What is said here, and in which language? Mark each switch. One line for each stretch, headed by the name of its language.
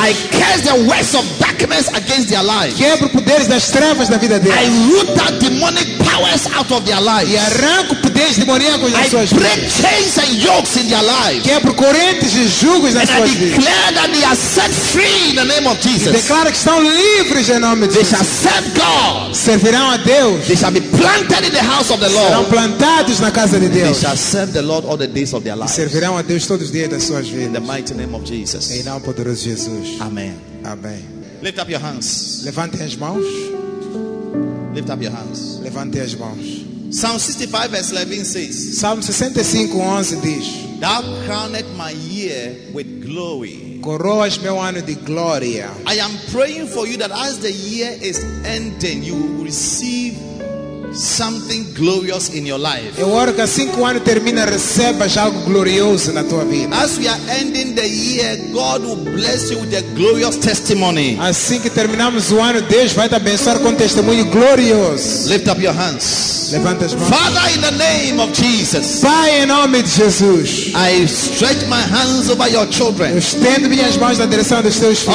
English: I cast the works of darkness against their lives.
Portuguese: Quebro poderes das trevas na vida deles.
English: I root out demonic powers out of their lives.
Portuguese: E arranco poderes demoníacos das suas vidas.
English: I break chains and yokes in their lives.
Portuguese: Quebro correntes e jugos nas suas vidas.
English: I declare that they are set free in the name of Jesus.
Portuguese: E declaro que estão livres em nome de Jesus.
English: They shall serve God.
Portuguese: Servirão a Deus.
English: They shall be planted in the house of the Lord.
Portuguese: Serão plantados na casa de Deus.
English: And they shall serve the Lord all the days of their lives.
Portuguese: E servirão a Deus todos os dias das suas vidas.
English: In the mighty name of Jesus.
Portuguese: Em nome poderoso de Jesus. Amém. Amém.
English: Lift up your hands.
Portuguese: Levantem as mãos.
English: Lift up your hands.
Portuguese: Levante as mãos.
English: Psalm 65 verse 11 says.
Portuguese: Psalm 65 11 diz.
English: Thou crowned my year with glory.
Portuguese: Coroas meu ano de glória.
English: I am praying for you that as the year is ending, you will receive something glorious in your life.
Portuguese: Eu oro que assim que o ano termina, recebas algo glorioso na tua vida.
English: As we are ending the year, God will bless you with a glorious testimony.
Portuguese: Assim que terminamos o ano, Deus vai te abençoar com testemunho glorioso.
English: Lift up your hands.
Portuguese: Levanta as mãos.
English: Father, in the name of Jesus.
Portuguese: Pai, em nome de Jesus.
English: I stretch my hands over your children.
Portuguese: Eu estendo minhas mãos na direção dos teus filhos.